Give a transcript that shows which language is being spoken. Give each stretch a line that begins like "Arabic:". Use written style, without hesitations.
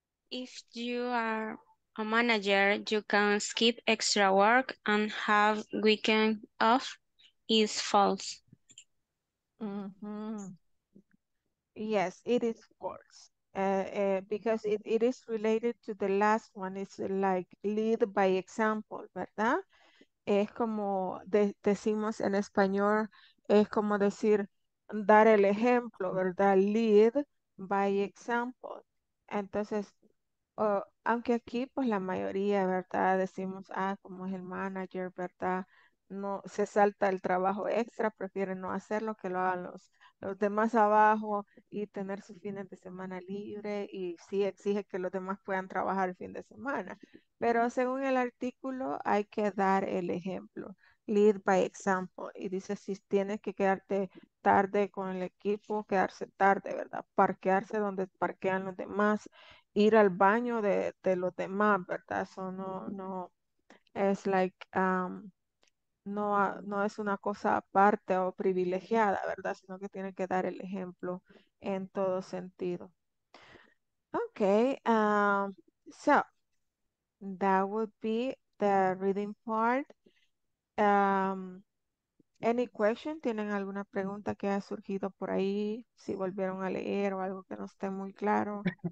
English: If you are a manager, you can skip extra work and have weekend off is false. Mm-hmm. Yes, it is false. Because it is related to the last one. It's like lead by example, ¿verdad?
Spanish: Es como decimos en español, es como decir, dar el ejemplo, ¿verdad?
English: Lead by example.
Spanish: Entonces, aunque aquí, pues la mayoría, ¿verdad? Decimos, ah, como es el manager, ¿verdad? No se salta el trabajo extra, prefiere no hacerlo que lo hagan los demás abajo y tener sus fines de semana libre y sí exige que los demás puedan trabajar el fin de semana. Pero según el artículo, hay que dar el ejemplo.
English: Lead by example.
Spanish: Y dice, si tienes que quedarte tarde con el equipo, quedarse tarde, ¿verdad? Parquearse donde parquean los demás, ir al baño de los demás, ¿verdad? Eso no es like, no es una cosa aparte o privilegiada, ¿verdad? Sino que tiene que dar el ejemplo en todo sentido.
English: Ok, so, that would be the reading part. Any question?
Spanish: ¿Tienen alguna pregunta que haya surgido por ahí? Si volvieron a leer o algo que no esté muy claro.